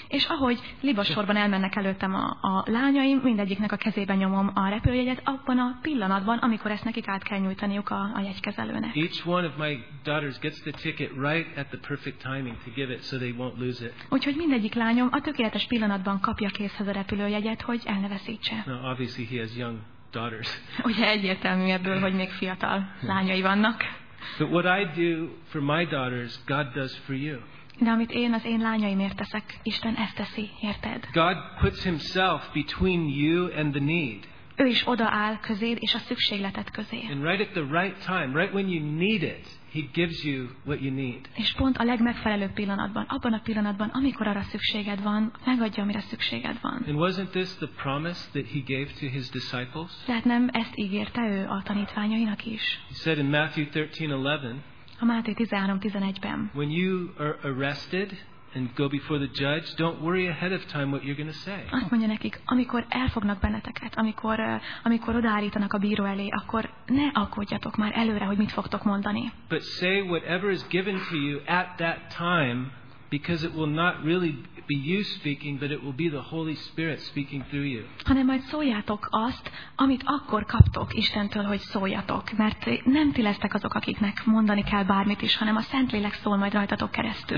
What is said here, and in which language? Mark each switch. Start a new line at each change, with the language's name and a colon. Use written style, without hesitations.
Hungarian: És ahogy libasorban elmennek előttem a lányaim, mindegyiknek a kezébe nyomom a repülőjegyet abban a pillanatban, amikor ezt nekik át kell nyújtaniuk a jegykezelőnek.
English: Each one of my daughters gets the ticket right at the perfect timing to give it so they won't lose it.
Hungarian: Úgyhogy mindegyik lányom a tökéletes pillanatban kapja kézhez a repülőjegyet, hogy el ne veszítse.
English: Now obviously he has young daughters.
Hungarian: Ugye egyértelmű ebből, hogy még fiatal lányai vannak.
English: But what I do for my daughters, God does for you.
Hungarian: De amit én az én lányaimért teszek, Isten ezt teszi, érted?
English: God puts himself between you and the need.
Hungarian: Ő is odaáll közéd és a szükségletet közé.
English: And right at the right time, right when you need it, he gives you what you need.
Hungarian: És pont a legmegfelelőbb pillanatban, abban a pillanatban, amikor arra szükséged van, megadja, amire szükséged van.
English: And wasn't this the promise that he gave to his disciples?
Hungarian: Tehát nem ezt ígérte ő a tanítványainak is.
English: He said in Matthew 13:11.
Hungarian: A Máté 13:11-ben.
English: When you are arrested and go before the judge, don't worry ahead of time what you're going to say.
Hungarian: Azt mondja nekik, amikor elfognak benneteket, amikor odaállítanak a bíró elé, akkor ne aggódjatok már előre, hogy mit fogtok mondani.
English: But say whatever is given to you at that time, because it will not really be you speaking, but it will be the Holy Spirit speaking through you.
Hungarian: Hanem majd szóljátok azt, amit akkor kaptok Istentől, hogy szóljatok, mert nem ti lesztek azok, akiknek mondani kell bármit is, hanem a Szentlélek szól majd rajtatok keresztül.